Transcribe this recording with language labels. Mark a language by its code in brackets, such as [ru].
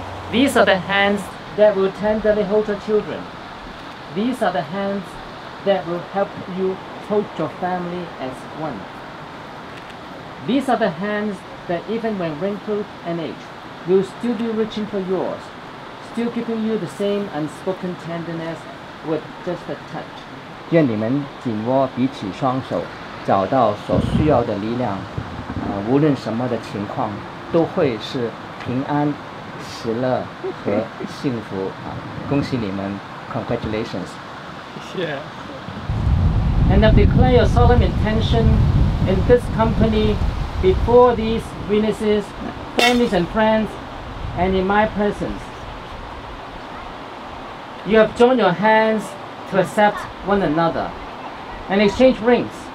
[en] These are the hands that will tenderly hold your children. These are the hands that will help you hold your family as one. These are the hands that even when wrinkled and aged, will still be reaching for yours, still giving you the same unspoken tenderness with just a touch. [zh] 愿你们紧握彼此双手。找到所需要的力量，无论什么的情况，都会是平安、喜乐和幸福啊！恭喜你们 ， [en] Congratulations！ [zh] 谢谢。 [en] And I declare your solemn intention in this company, before these witnesses, families and friends, and in my presence. You have joined your hands to accept one another, and exchange rings.